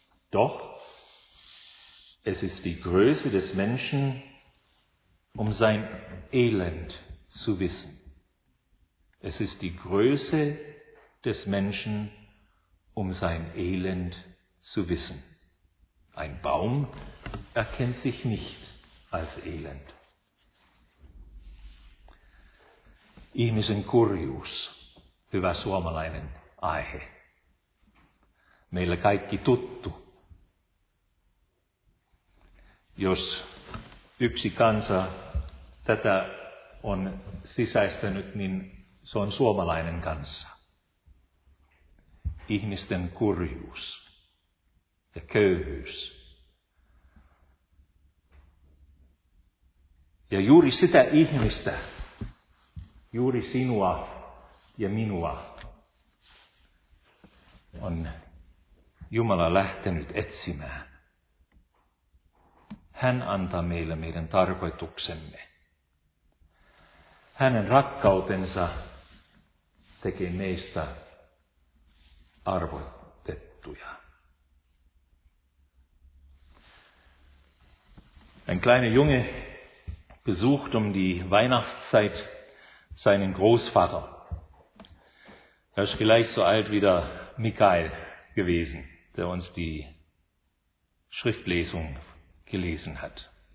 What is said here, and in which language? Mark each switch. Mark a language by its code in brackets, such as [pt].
[de] Doch es ist die Größe des Menschen, um sein Elend zu wissen. Es ist die Größe des Menschen, um sein Elend zu wissen. Ein Baum erkennt sich nicht als Elend. [fi] Ihmisen kurjuus, hyvä suomalainen aihe. Meille kaikki tuttu. Jos yksi kansa tätä on sisäistänyt, niin se on suomalainen kansa. Ihmisten kurjuus ja köyhyys. Ja juuri sitä ihmistä, juuri sinua ja minua, on Jumala lähtenyt etsimään. Hän antaa meille meidän tarkoituksemme. Hänen rakkautensa tekee meistä arvotettuja. [de] Ein kleiner Junge besucht um die Weihnachtszeit seinen Großvater. Er ist vielleicht so alt wie der Michael gewesen, der uns die Schriftlesung gelesen hat.